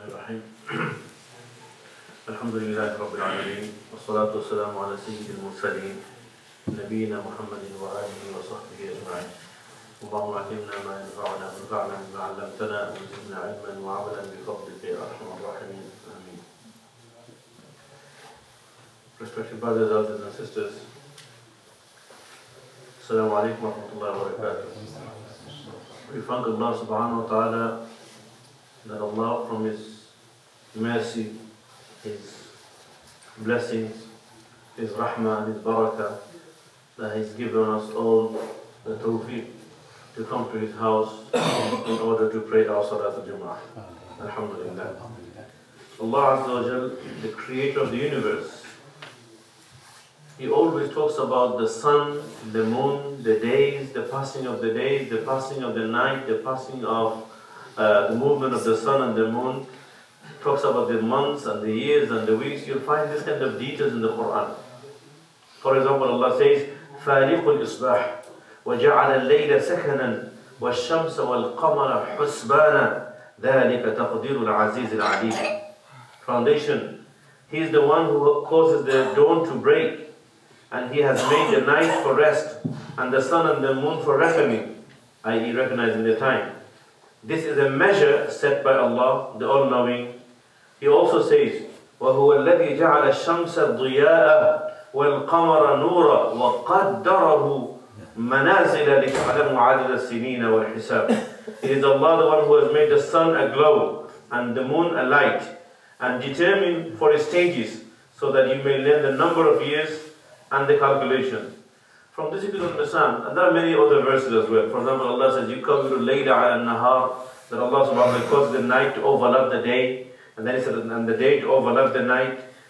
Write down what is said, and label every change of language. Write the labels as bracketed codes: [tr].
[ar] الرحيم الحمد لله رب العالمين والصلاة والسلام على سيد المرسلين نبينا محمد وآله وصحبه أجمعين اللهم علمنا ما ينفعنا وانفعنا بما علمتنا وزدنا علما وعملا بفضلك يا أرحم الراحمين آمين. [en] Respected brothers, elders and sisters, [ar] السلام عليكم ورحمة الله وبركاته. [en] We thank Allah subhanahu wa ta'ala that Allah from His mercy, His blessings, His rahmah and His barakah, that He's given us all the tawfiq to come to His house in order to pray our salat al-jum'ah. Alhamdulillah. Allah azza wa jal, the creator of the universe, He always talks about the sun, the moon, the days, the passing of the days, the passing of the night, the passing of the movement of the sun and the moon. Talks about the months and the years and the weeks. You'll find this kind of details in the Quran. For example, Allah says, [ar] فَالِقُ الْإِصْبَاحِ وَجَعَلَ اللَّيْلَ سَكَنًا وَالشَّمْسَ وَالْقَمَرَ حُسْبَانًا ذَلِكَ تَقْدِيرُ الْعَزِيزِ الْعَلِيمِ. [en] Foundation. He is the one who causes the dawn to break. And He has made the night for rest, and the sun and the moon for reckoning, i.e. recognizing the time. This is a measure set by Allah, the All-Knowing. He also says, [ar] وَهُوَ الَّذِي جَعَلَ الشَّمْسَ ضِيَاءً وَالْقَمَرَ نُورًا وَقَدَّرَهُ مَنَازِلَ لِتَعْلَمُ عَدَدَ السِّنِينَ وَالْحِسَابِ. [en] It is Allah the one who has made the sun a glow, and the moon a light, and determined for its stages, so that you may learn the number of years and the calculation. From this you can understand, and there are many other verses as well. For example, Allah says, [ar] يُكَوِّرُ اللَّيْلَ عَلَى النَّهَارِ, [en] that Allah subhanahu wa ta'ala caused the night to overlap the day, and then He said, and the day to overlap the night.